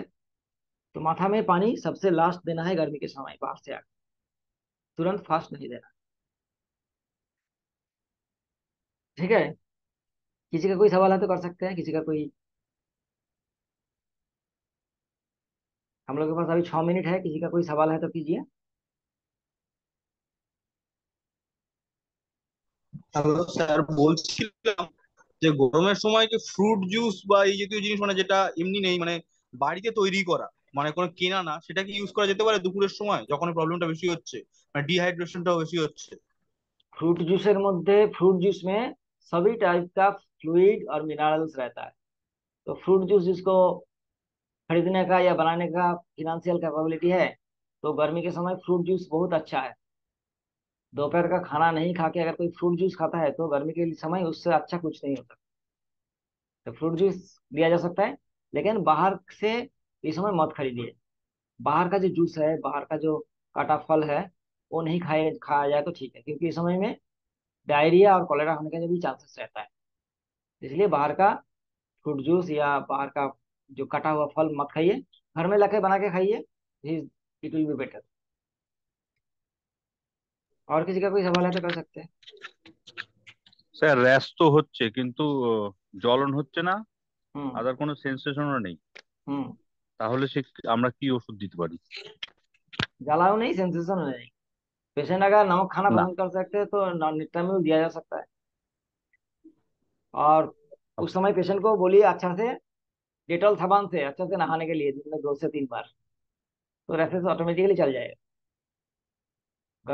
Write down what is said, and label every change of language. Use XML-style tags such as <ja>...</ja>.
<hi>तो माथा में पानी सबसे लास्ट देना है गर्मी के समय, बाहर से आकर तुरंत फास्ट नहीं देना, ठीक है? किसी का कोई सवाल है तो कर सकते हैं, किसी का कोई, हम लोग के पास अभी 6 मिनट है, किसी का कोई सवाल है तो कीजिए।</hi> <bn>হ্যালো স্যার, বলছিলাম যে গরমের সময় যে ফ্রুট জুস বা এই জাতীয় জিনিস, মানে যেটা এমনি নেই, মানে বাড়িতে তৈরি করা, মানে কোনো কেনা না, সেটা কি ইউজ করা যেতে পারে দুপুরের সময়, যখন প্রবলেমটা বেশি হচ্ছে, মানে ডিহাইড্রেশনটাও বেশি হচ্ছে?</bn> <hi>फ्रूट जूस के मध्य, फ्रूट जूस में सभी टाइप का फ्लूइड और मिनरल्स रहता है। तो फ्रूट जूस जिसको खरीदने का या बनाने का फिनेंशियल कैपेबिलिटी है, तो गर्मी के समय फ्रूट जूस बहुत अच्छा है। दोपहर का खाना नहीं खा के अगर कोई फ्रूट जूस खाता है तो गर्मी के समय उससे अच्छा कुछ नहीं होता। तो फ्रूट जूस लिया जा सकता है, लेकिन बाहर से इस समय मत खरीदिए। बाहर का जो जूस है, बाहर का जो काटा फल है, वो नहीं खाए खाया जाए तो ठीक है, क्योंकि इस समय में डायरिया और कॉलेरा होने का जो भी चांसेस रहता है। इसलिए बाहर का फ्रूट जूस या बाहर का जो कटा हुआ फल मत खाइए, घर में लाके बना के खाइए,</hi> <en>It will be better.</en> <hi>और किसी का कोई सवाल है तो कर सकते हैं।</hi> <bn>স্যার র‍্যশ তো হচ্ছে, কিন্তু জ্বলন হচ্ছে না, আদার কোনো সেন্সেশনও নেই, তাহলে সে আমরা কি ওষুধ দিতে পারি? জ্বালাও নেই, সেন্সেশন নেই।</bn> <hi>पेशेंट अगर नमक खाना</hi> <bn>না</bn> <hi>पसंद कर सकते हैं तो नॉनस्टेमिनल दिया जा सकता है। और उस समय पेशेंट को बोलिए अच्छा से डेटॉल साबान से अच्छा से नहाने के लिए, दिन में 2 से 3 बार, तो रैशेस ऑटोमेटिकली चल जाएगा।</hi>